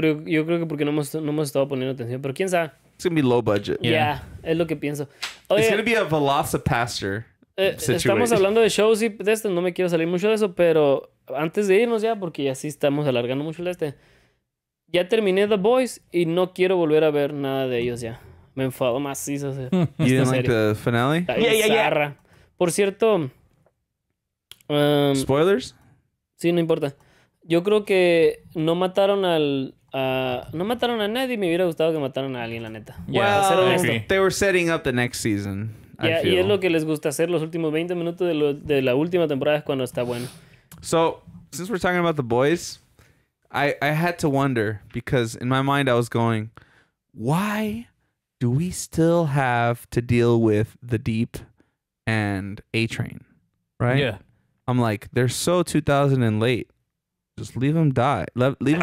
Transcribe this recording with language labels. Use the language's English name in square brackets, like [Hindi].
[Spanish] Pero yo creo que porque no hemos estado poniendo atención, pero quién sabe. [English] It's going to be low budget. [Spanish] Yeah, es lo que pienso. [English] Oye, it's going to be a Velocipastor situation. [Spanish] Estamos hablando de shows y de esto, no me quiero salir mucho de eso, pero... Antes de irnos ya, porque ya sí estamos alargando mucho el este. Ya terminé The Boys y no quiero volver a ver nada de ellos ya. Me enfado más. Sí, [English] ¿sabes? ¿You didn't like the finale? [Spanish] Yeah. Por cierto... [English] ¿Spoilers? [Spanish] Sí, no importa. Yo creo que no mataron al... no mataron a nadie. Me hubiera gustado que mataran a alguien, la neta. [English] Yeah, well, they were setting up the next season. [Spanish] Yeah, y es lo que les gusta hacer los últimos 20 minutos de la última temporada es cuando está bueno. [English] So, since we're talking about The Boys, I had to wonder, because in my mind I was going, why do we still have to deal with the deep and A-Train, right? Yeah. I'm like, they're so 2000 and late. Just leave them die. Leave them